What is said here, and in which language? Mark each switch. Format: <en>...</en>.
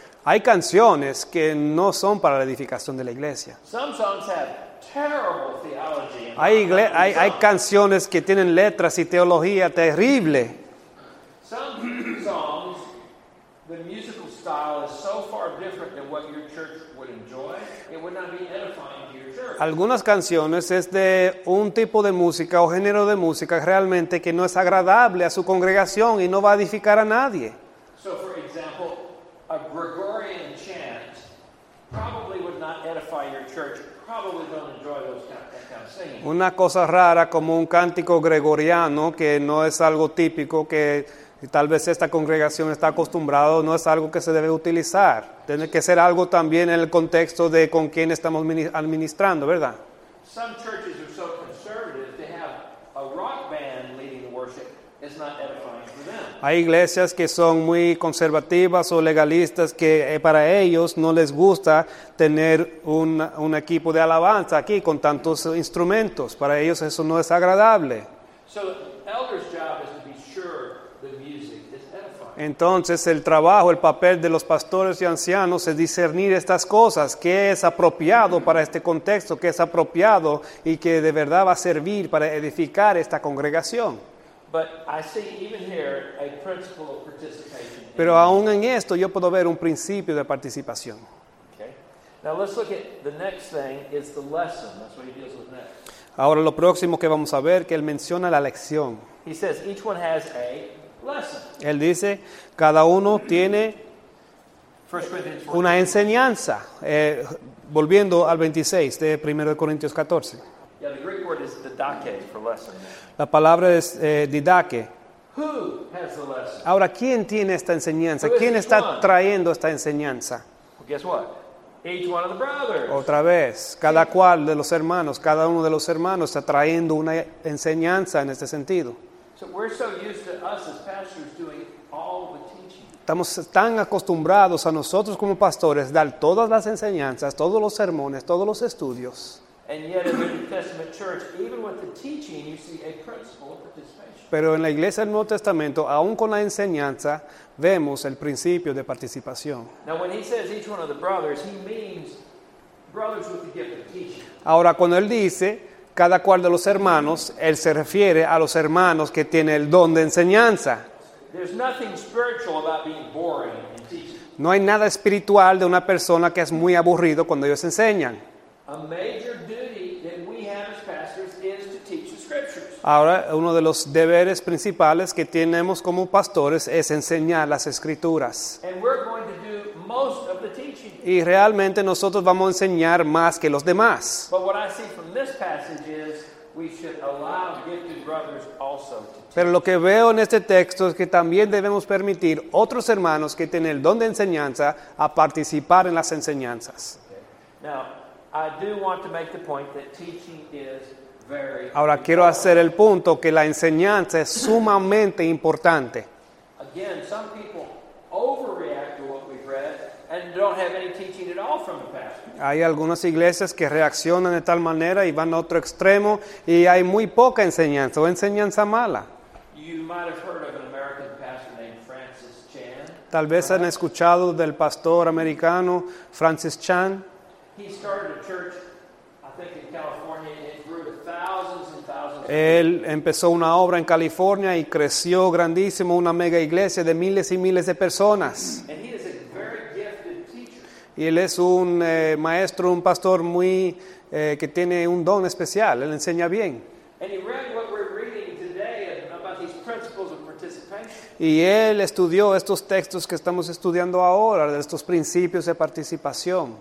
<es>Hay canciones que no son para la edificación de la iglesia.</es> <en>Some songs have terrible theology.</en> <es>Hay canciones que tienen letras y teología terrible.</es> <en>Some songs, the musical style is so far different than what your church would enjoy, it would not be edifying to your church.</en> <es>Algunas canciones es de un tipo de música o género de música realmente que no es agradable a su congregación y no va a edificar a nadie.</es> <en>So for example, a Gregorian chant probably would not edify your church, probably don't enjoy those kind of singing.</en> <es>Una cosa rara como un cántico gregoriano que no es algo típico que y tal vez esta congregación está acostumbrada, no es algo que se debe utilizar. Tiene que ser algo también en el contexto de con quién estamos administrando, ¿verdad?</es> <en>Some churches are so conservative, they have a rock band leading the worship. It's not edifying for them.</en> <es>Hay iglesias que son muy conservativas o legalistas que para ellos no les gusta tener un equipo de alabanza aquí con tantos instrumentos. Para ellos eso no es agradable.</es> <en>So the elder's job is to be sure the music is edifying.</en> <es>Entonces el trabajo, el papel de los pastores y ancianos es discernir estas cosas, qué es apropiado para este contexto, qué es apropiado y que de verdad va a servir para edificar esta congregación.</es> <en>But I see even here a principle of participation.</en> <es>Pero aún en esto yo puedo ver un principio de participación.</es> <en>Okay. Now let's look at the next thing is the lesson. That's what he deals with next.</en> <es>Ahora lo próximo que vamos a ver, que él menciona la lección.</es> <en>He says, each one has a lesson.</en> <es>Él dice, cada uno tiene una enseñanza. Volviendo al 26 de 1 Corintios 14.</es> <en>Yeah, the Greek word is didake for lesson.</en> <es>La palabra es didake.</es> <en>Who has the lesson?</en> <es>Ahora, ¿quién tiene esta enseñanza? ¿Quién está trayendo esta enseñanza?</es> <en>Well, guess what? Each one of the brothers.</en> <es>Otra vez, cada cual de los hermanos, cada uno de los hermanos está trayendo una enseñanza en este sentido.</es> <en>So we're so used to us as pastors doing all the teaching.</en> <es>Estamos tan acostumbrados a nosotros como pastores dar todas las enseñanzas, todos los sermones, todos los estudios.</es> <en>And yet in the New Testament church, even with the teaching, you see a principle of participation.</en> <es>Pero en la iglesia del Nuevo Testamento, aún con la enseñanza, vemos el principio de participación.</es> <en>Now when he says each one of the brothers, he means brothers with the gift of teaching.</en> <es>Ahora cuando él dice cada cual de los hermanos, él se refiere a los hermanos que tienen el don de enseñanza.</es> <en>There's nothing spiritual about being boring in teaching.</en> <es>No hay nada espiritual de una persona que es muy aburrido cuando ellos enseñan.</es> <en>A major duty that we have as pastors is to teach the scriptures.</en> <es>Ahora, uno de los deberes principales que tenemos como pastores es enseñar las Escrituras.</es> <en>And we're going to do most of the teaching.</en> <es>Y realmente nosotros vamos a enseñar más que los demás.</es> <en>But what I see from this passage is we should allow gifted brothers also to teach.</en> <es>Pero lo que veo en este texto es que también debemos permitir otros hermanos que tienen el don de enseñanza a participar en las enseñanzas.</es> <en>Okay. Now, I do want to make the point that teaching is very important.</en> <es>Ahora quiero hacer el punto que la enseñanza es sumamente importante.</es> <en>Again, some people overreact to what we've read and don't have any teaching at all from the pastor.</en> <es>Hay algunas iglesias que reaccionan de tal manera y van a otro extremo y hay muy poca enseñanza o enseñanza mala.</es> <en>You might have heard of an American pastor named Francis Chan.</en> <es>Tal vez han escuchado del pastor americano Francis Chan.</es> <en>He started a church, I think, in California, and it grew to thousands and thousands.</en> <es>Él empezó una obra en California y creció grandísimo, una mega iglesia de miles y miles de personas.</es> <en>And he is a very gifted teacher.</en> <es>Y él es un maestro, un pastor muy que tiene un don especial. Él enseña bien.</es> <en>And he read what we're reading today about these principles of participation.</en> <es>Y él estudió estos textos que estamos estudiando ahora, de estos principios de participación.</es>